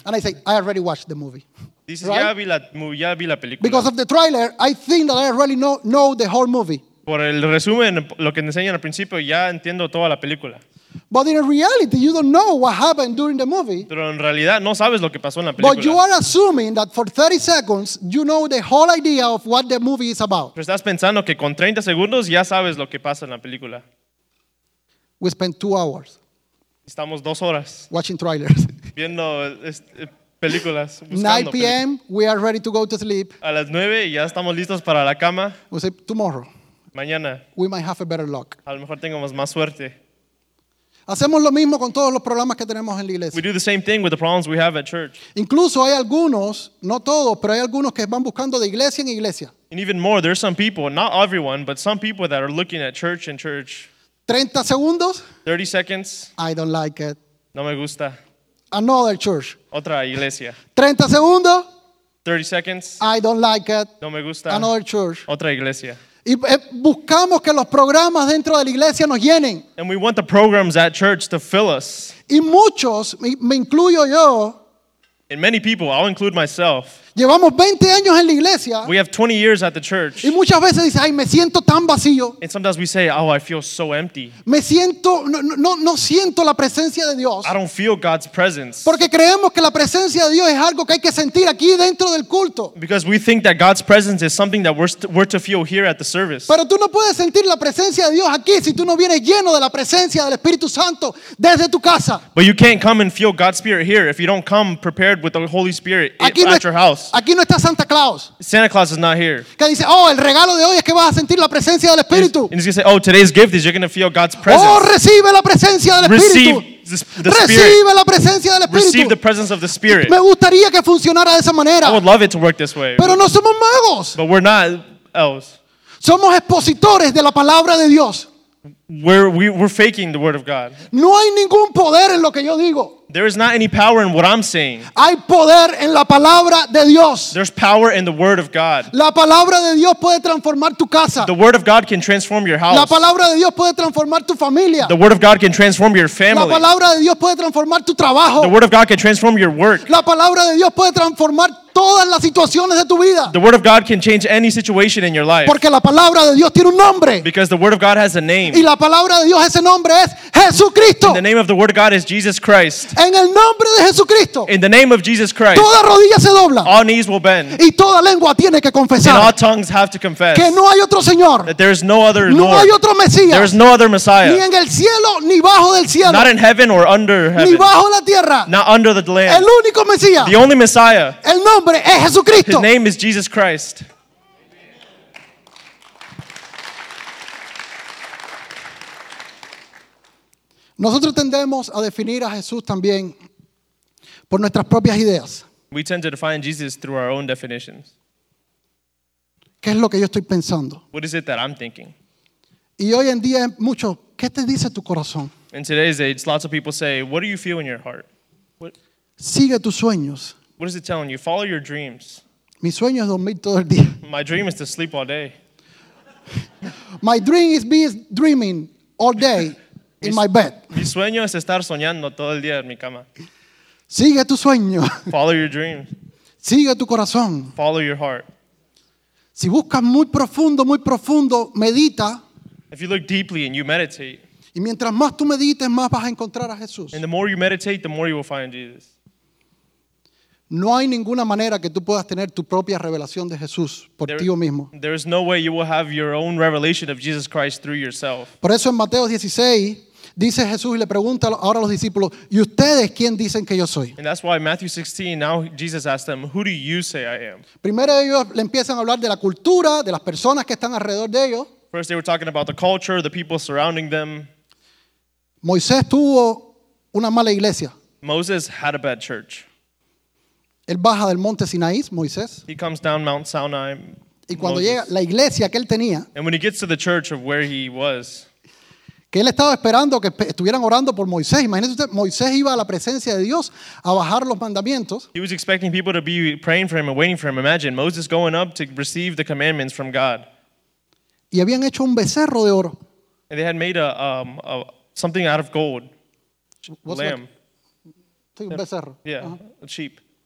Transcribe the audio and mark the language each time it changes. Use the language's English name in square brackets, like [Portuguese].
[English] And I say, I already watched the movie. [Spanish] Dices, [English] right? [Spanish] ya vi la película. [English] Because of the trailer, I think that I already know the whole movie. [Spanish] Por el resumen, lo que enseñan al principio, ya entiendo toda la película. [English] But in reality, you don't know what happened during the movie. [Spanish] Pero en realidad no sabes lo que pasó en la película. [English] But you are assuming that for 30 seconds, you know the whole idea of what the movie is about. [Spanish] Pero estás pensando que con 30 segundos ya sabes lo que pasa en la película. [English] We spent 2 hours. [Spanish] Estamos 2 horas. [English] Watching trailers. [Spanish] Viendo películas. [English] 9 p.m., we are ready to go to sleep. [Spanish] A las 9 ya estamos listos para la cama. [English] We say, tomorrow. [Spanish] Mañana. [English] We might have a better luck. [Spanish] A lo mejor tengamos más suerte. Hacemos lo mismo con todos los problemas que tenemos en la iglesia. [English] We do the same thing with the problems we have at church. [Spanish] Incluso hay algunos, no todos, pero hay algunos que van buscando de iglesia en iglesia. [English] And even more, there are some people, not everyone, but some people that are looking at church and church. [Spanish] 30 segundos. [English] 30 seconds. I don't like it. [Spanish] No me gusta. [English] Another church. [Spanish] Otra iglesia. 30 segundos. [English] 30 seconds. I don't like it. [Spanish] No me gusta. [English] Another church. [Spanish] Otra iglesia. Y buscamos que los programas dentro de la iglesia nos llenen. [English] And we want the programs at church to fill us. [Spanish] Y muchos, me incluyo yo. [English] And many people, I'll include myself. [Spanish] Llevamos 20 años en la iglesia. [English] We have 20 years at the church. [Spanish] Y muchas veces dice, ay, me siento tan vacío. [English] And sometimes we say, oh, I feel so empty. [Spanish] Me siento, no siento la presencia de Dios. [English] I don't feel God's presence. [Spanish] Porque creemos que la presencia de Dios es algo que hay que sentir aquí dentro del culto. [English] Because we think that God's presence is something that we're to feel here at the service. [Spanish] Pero tú no puedes sentir la presencia de Dios aquí si tú no vienes lleno de la presencia del Espíritu Santo desde tu casa. [English] But you can't come and feel God's Spirit here if you don't come prepared with the Holy Spirit at your house. [Spanish] Aquí no está Santa Claus. [English] Santa Claus is not here. [Spanish] Que dice, oh, el regalo de hoy es que vas a sentir la presencia del Espíritu. [English] And he's going to say, oh, today's gift is you're going to feel God's presence. [Spanish] Oh, recibe la presencia del Espíritu. [English] Receive the Spirit. [Spanish] Recibe la presencia del Espíritu. [English] Receive the presence of the Spirit. [Spanish] Me gustaría que funcionara de esa manera. [English] I would love it to work this way. [Spanish] Pero no somos magos. [English] But we're not elves. [Spanish] Somos expositores de la palabra de Dios. [English] We're faking the word of God. [Spanish] No hay ningún poder en lo que yo digo. [English] There is not any power in what I'm saying. [Spanish] Hay poder en la palabra de Dios. [English] There's power in the word of God. [Spanish] La palabra de Dios puede transformar tu casa. [English] The word of God can transform your house. [Spanish] La palabra de Dios puede transformar tu familia. [English] The word of God can transform your family. [Spanish] La palabra de Dios puede transformar tu trabajo. [English] The word of God can transform your work. [Spanish] La palabra de Dios puede transformar todas las situaciones de tu vida. [English] The word of God can change any situation in your life. [Spanish] Porque la palabra de Dios tiene un nombre. [English] Because the word of God has a name. [Spanish] Y la palabra de Dios ese nombre es Jesucristo. [English] And the name of the word of God is Jesus Christ. [Spanish] En el nombre de Jesucristo. [English] In the name of Jesus Christ. [Spanish] Toda rodilla se dobla. [English] All knees will bend. [Spanish] Y toda lengua tiene que confesar. [English] And all tongues have to confess. [Spanish] Que no hay otro Señor. [English] That there is no other no Lord. [Spanish] No hay otro Mesías. [English] There is no other Messiah. [Spanish] Ni en el cielo ni bajo del cielo. [English] Not in heaven or under heaven. [Spanish] Ni bajo la tierra. [English] Not under the land. [Spanish] El único Mesías. [English] The only Messiah. [Spanish] El nombre es Jesucristo. [English] His name is Jesus Christ. [Spanish] Nosotros tendemos a definir a Jesús también por nuestras propias ideas. [English] We tend to define Jesus through our own definitions. [Spanish] ¿Qué es lo que yo estoy pensando? [English] What is it that I'm thinking? [Spanish] Y hoy en día mucho, ¿qué te dice tu corazón? [English] In today's age, lots of people say, what do you feel in your heart? [Spanish] Sigue tus sueños. [English] What is it telling you? Follow your dreams. [Spanish] Mi sueño es dormir todo el día. [English] My dream is to sleep all day. My dream is be dreaming all day in my bed. [Spanish] Mi sueño es estar soñando todo el día en mi cama. Sigue tu sueño. [English] Follow your dream. [Spanish] Sigue tu corazón. [English] Follow your heart. [Spanish] Si buscas muy profundo, medita. [English] If you look deeply and you meditate. [Spanish] Y mientras más tú medites, más vas a encontrar a Jesús. [English] And the more you meditate, the more you will find Jesus. [Spanish] No hay ninguna manera que tú puedas tener tu propia revelación de Jesús por ti mismo. [English] There is no way you will have your own revelation of Jesus Christ through yourself. [Spanish] Por eso en Mateo 16 dice Jesús y le pregunta ahora a los discípulos, ¿y ustedes quién dicen que yo soy? [English] And that's why Matthew 16, now Jesus asked them, who do you say I am? [Spanish] Primero ellos le empiezan a hablar de la cultura, de las personas que están alrededor de ellos. [English] First they were talking about the culture, the people surrounding them. [Spanish] Moisés tuvo una mala iglesia. [English] Moses had a bad church. [Spanish] Él baja del monte Sinaí, Moisés. [English] He comes down Mount Sinai. [Spanish] Y cuando llega la iglesia que él tenía. [English] And when he gets to the church of where he was. [Spanish] Que él estaba esperando que estuvieran orando por Moisés. Imagínese usted, Moisés iba a la presencia de Dios a bajar los mandamientos. [English] He was expecting people to be praying for him and waiting for him. Imagine Moses going up to receive the commandments from God. [Spanish] Y habían hecho un becerro de oro. [English] And they had made a something out of gold. What's lamb. [Spanish] Un becerro. [English] Yeah, uh-huh. A sheep.